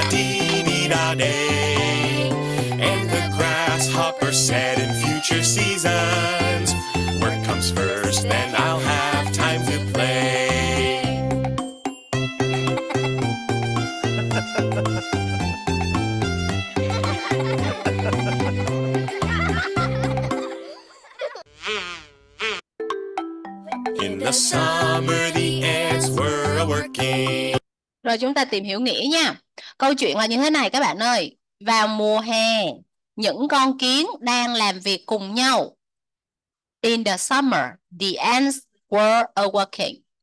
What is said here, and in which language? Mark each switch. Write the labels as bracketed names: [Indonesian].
[English] Fi-dee-do-dee-da-dee-dee-da-day. And the grasshopper said in future seasons, work comes first, then I'll have time to play. In the summer, the ants were a-working. [Vietnamese] Rồi chúng ta tìm hiểu nghĩa nha. Câu chuyện là như thế này các bạn ơi. Vào mùa hè, những con kiến đang làm việc cùng nhau. [English] In the summer, the ants were a-working.